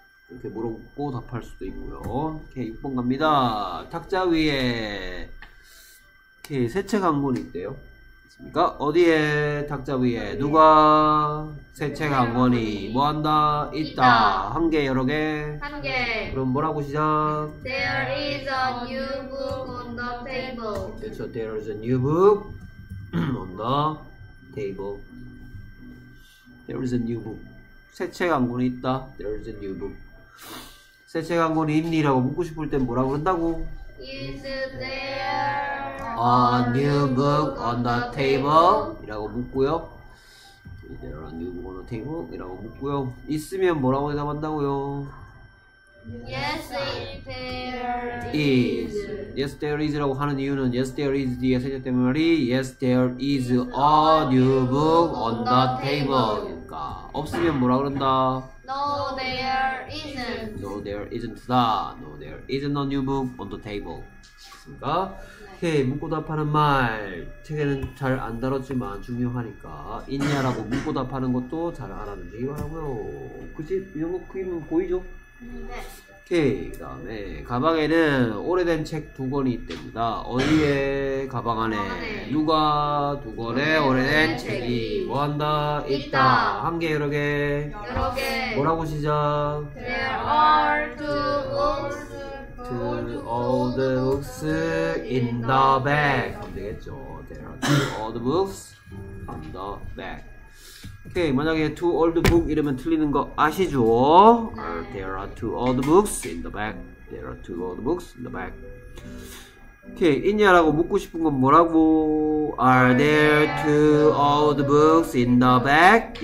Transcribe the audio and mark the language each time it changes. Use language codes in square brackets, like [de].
[ko] 이렇게 물어보고 답할 수도 있고요. 오케이, 6번 갑니다. 탁자 위에 이렇게 세책 한 권 있대요. 있습니까? 어디에? 탁자 위에 누가 세책 한 권이 뭐 한다? 있다. 한 개, 여러 개? 한 개. 그럼 뭐라고 시작? [en] There is a new book on the table. [ko] 그렇죠. [en] There is a new book on the table. There is a new book. [ko] 새 책 한 권이 있다. [en] There is a new book. [ko] 새 책 한 권이 있니라고 묻고 싶을 땐 뭐라고 그런다고? [en] Is there a new book on the table? [ko] 이라고 묻고요. [en] Is there a new book on the table? [ko] 이라고 묻고요. 있으면 뭐라고 대답한다고요? [en] Yes, there is. Yes, there is [ko] 라고 하는 이유는 [en] Yes, there is [ko] 뒤에 세 책 때문에 말이 [en] Yes, there is a new book on the table. [ko] 그러니까 없으면 뭐라 그런다? [en] No, there isn't. No, there isn't. 다. No, there isn't a new book on the table. [ko] 그렇습니까? 네. 오케이, 묻고 답하는 말. 책에는 잘 안 다뤘지만 중요하니까 있냐라고 묻고 답하는 것도 잘 알아두기 바라고요. 그치? 이런 거 크기면 보이죠? 네. 오케이, 그 다음에 가방에는 오래된 책 두 권이 있답니다. 어디에? 가방 안에. 가방에. 누가 두 권의 오래된 책이 뭐한다? 있다. 한 개, 여러 개? 여러 개. 뭐라고 시작? [en] There are two books. Two old books in the bag. [ko] 하면 되겠죠. [en] There are two old books in the bag. [ko] 오케이, 만약에 [en] two old book [ko] 이러면 틀리는 거 아시죠? 네. [en] There are two old books in the back. There are two old books in the back. [ko] 오케이, 있냐라고 묻고 싶은 건 뭐라고? [en] Are there two old books in the back?